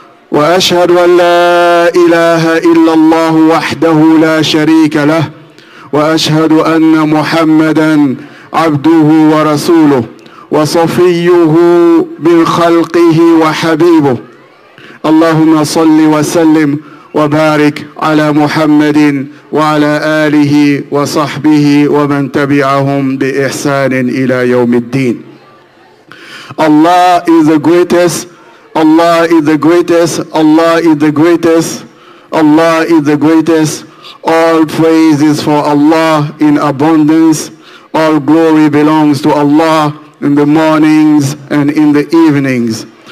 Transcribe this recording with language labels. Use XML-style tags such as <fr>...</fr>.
<ar>Wa ashhadu an la ilaha illa Allah wahdahu la sharika lah, wa ashhadu anna Muhammadan abduhu wa rasuluh, وصفيه من خلقه وحبيبه. اللهم صل وسلم وبارك على محمد وعلى آله وصحبه ومن تبعهم بإحسان إلى يوم الدين.</ar> <en>Allah is the greatest, Allah is the greatest, Allah is the greatest, Allah is the greatest. All praise is for Allah in abundance. All glory belongs to Allah in the mornings and in the evenings.</en>